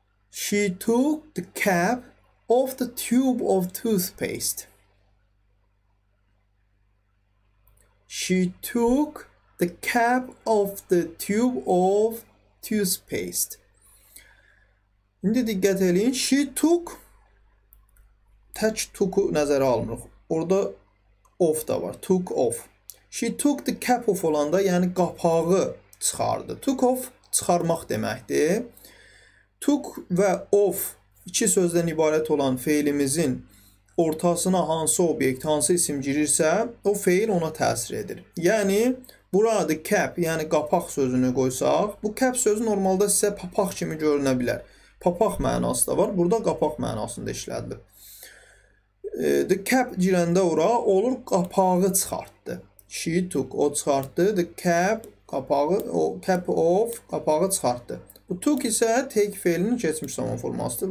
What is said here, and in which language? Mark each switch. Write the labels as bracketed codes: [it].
[en] She took the cap of the tube of toothpaste. She took the cap of the tube of toothpaste. [az] İndi diqqət edin. [en] She took. [az] Tək took-u nəzərə almırıq. Orada of da var. Took of. [en] She took the cap of [az] olanda, yəni qapağı çıxardı. Took of çıxarmaq deməkdir. Took və of iki sözdən ibarət olan feilimizin ortasına hansı obyekt, hansı isim girirsə, o feil ona təsir edir. Yəni burada cap, yəni qapaq sözünü qoysaq, bu cap sözü normalda sizə papaq kimi görünə bilər. Papaq mənası da var. Burada qapaq mənasında işlədilib. The cap girəndə ora olur qapağı çıxartdı. She took, o çıxartdı. The cap, qapağı, o cap of, qapağı çıxartdı. Bu took isə take feilinin keçmiş zaman formasıdır.